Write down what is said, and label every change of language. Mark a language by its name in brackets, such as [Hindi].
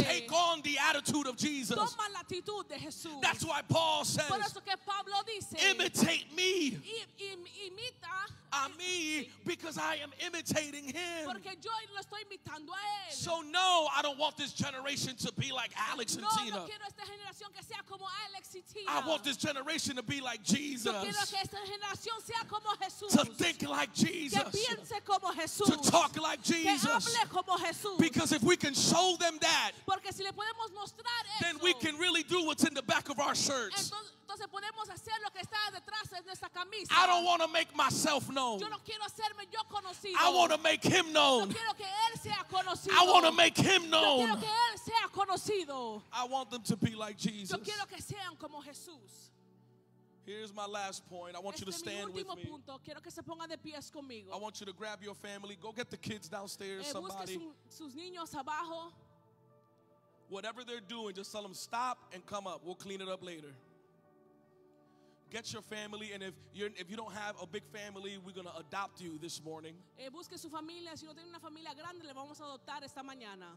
[English] take on the attitude of Jesus. [Spanish] Toma la actitud de Jesús. [English] That's why Paul says, [Spanish] por eso que Pablo dice, [English] imitate me. [Spanish] Imita a mí, [English] because I am imitating him. [Spanish] Porque yo lo estoy imitando a él. [English] So no, I don't want this generation to be like Alex and [Spanish] no, [English] Tina. [Spanish] No quiero esta generación que sea como Alex y Tina. [English] I want this generation to be like Jesus. [Spanish] Yo quiero que esta generación sea como Jesús. [English] To think like Jesus. [Spanish] Que piense como Jesús. [English] To talk like Jesus. [Spanish] Que hable como Jesús. [English] Because if we can show them that, [Spanish] porque si le podemos mostrar eso, [English] then we can really do what's in the back of our shirts. [Spanish] Entonces podemos hacer lo que está detrás de nuestra camisa. [English] I don't want to make myself known. [Spanish] Yo no quiero hacerme yo conocido. [English] I want to make him known. [Spanish] Yo quiero que él sea conocido. [English] I want to make him known. [Spanish] Yo quiero que él sea conocido. [English] I want them to be like Jesus. [Spanish] Yo quiero que sean como Jesús. [English] Here's my last point. I want [Spanish] este [English] you to stand with me. [Spanish] Punto. Quiero que se pongan de pies conmigo. [English] I want you to grab your family. Go get the kids downstairs, somebody. [Spanish] Sus niños abajo. [English] Whatever they're doing, just tell them stop and come up. We'll clean it up later. Get your family, and if you don't have a big family, we're going to adopt you this morning. [Spanish] Busque su familia. Si no tiene una familia grande, le vamos a adoptar esta mañana.